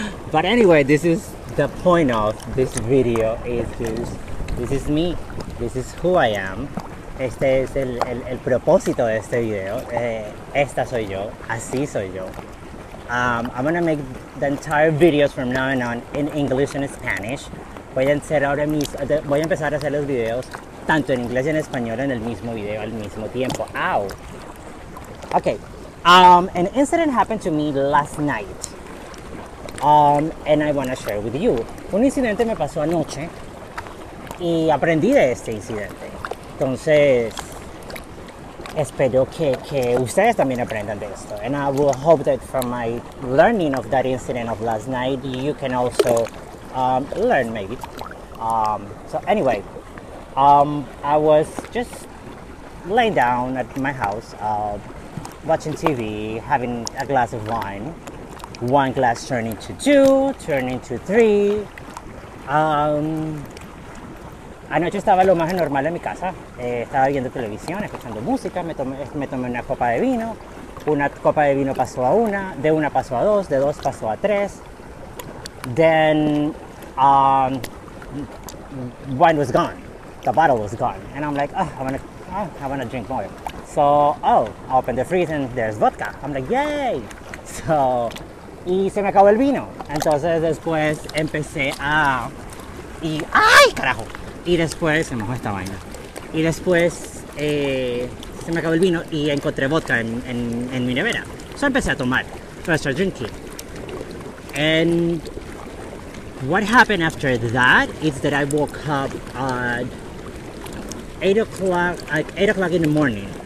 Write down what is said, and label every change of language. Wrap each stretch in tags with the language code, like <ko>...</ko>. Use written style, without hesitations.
<en>But anyway, this is the point of this video. This is me. This is who I am.</en> <es>Este es el propósito de este video. Esta soy yo. Así soy yo.</es> <en>I'm gonna make the entire videos from now on in English and Spanish.</en> <es>Voy a empezar a hacer los videos tanto en inglés y en español en el mismo video al mismo tiempo.</es> <en>Ow. Okay. An incident happened to me last night. And I wanna share with you.</en> <es>Un incidente me pasó anoche y aprendí de este incidente. Entonces, espero que ustedes también aprendan de esto.</es> <en>And I will hope that from my learning of that incident of last night, you can also learn maybe. So anyway, I was just laying down at my house, watching TV, having a glass of wine. One glass turned into two, turned into three.</en> <es>Anoche estaba lo más normal en mi casa, estaba viendo televisión, escuchando música, me tomé una copa de vino, una copa de vino pasó a una, de una pasó a dos, de dos pasó a tres.</es> <en>Then, wine was gone, the bottle was gone, and I'm like, I wanna drink more. So, I opened the freezer and there's vodka. I'm like, yay! So,</en> <es>y se me acabó el vino. Entonces después empecé a... Y, ¡ay, carajo! Y después, se mojó esta vaina. Y después se me acabó el vino y encontré vodka en mi nevera.</es> <en>So</en> <es>empecé a tomar.</es> <en>So I started drinking. And what happened after that is that I woke up at 8 o'clock in the morning.</en>